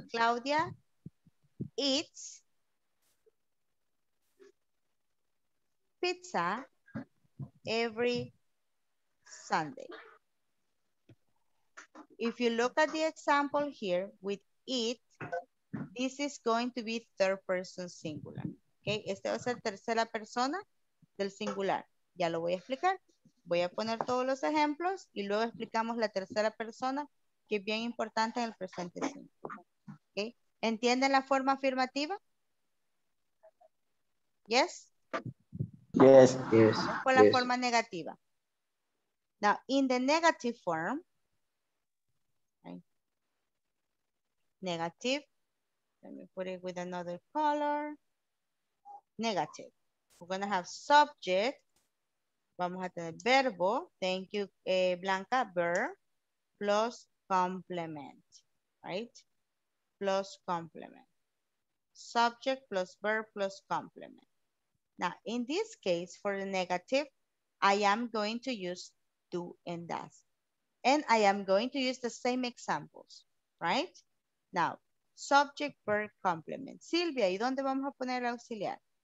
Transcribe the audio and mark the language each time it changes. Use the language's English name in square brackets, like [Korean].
[English] Claudia eats pizza every Sunday. If you look at the example here with eat, this is going to be third person singular. [Spanish] Okay, este va a ser tercera persona del singular. Ya lo voy a explicar. Voy a poner todos los ejemplos y luego explicamos la tercera persona, que es bien importante en el presente simple. Okay, ¿entienden la forma afirmativa? [English] Yes. Yes, yes. [Spanish] Con la forma negativa. [English] Now, in the negative form, right? Negative, let me put it with another color. Negative. We're going to have subject. [Spanish] Vamos a tener verbo. [English] Thank you, Blanca. Verb plus complement, right? Plus complement. Subject plus verb plus complement. Now, in this case, for the negative, I am going to use do and does. And I am going to use the same examples, right? Now, subject, verb, complement. [Spanish] Silvia, ¿y dónde vamos a poner el auxiliar?